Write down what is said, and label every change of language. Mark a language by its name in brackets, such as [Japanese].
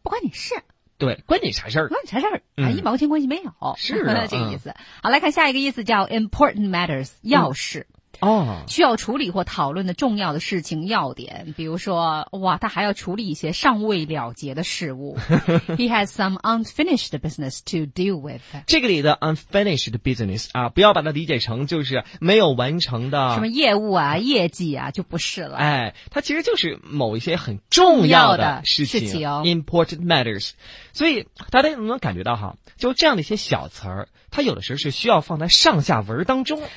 [Chinese] 不关你事。对，关你啥事儿？关你啥事儿、啊？一毛钱关系没有。是啊，这个意思。好，来看下一个意思，叫 [English] important matters， [Chinese] 要事。嗯哦，需要处理或讨论的重要的事情要点，比如说，哇，他还要处理一些尚未了结的事物。 [English] He has some unfinished business to deal with. [Chinese] 这个里的 unfinished business 啊，不要把它理解成就是没有完成的什么业务啊、业绩啊，就不是了。哎，它其实就是某一些很重要的事情， [English] important matters。 [Chinese] 所以大家能不能感觉到哈，就这样的一些小词儿，它有的时候是需要放在上下文当中。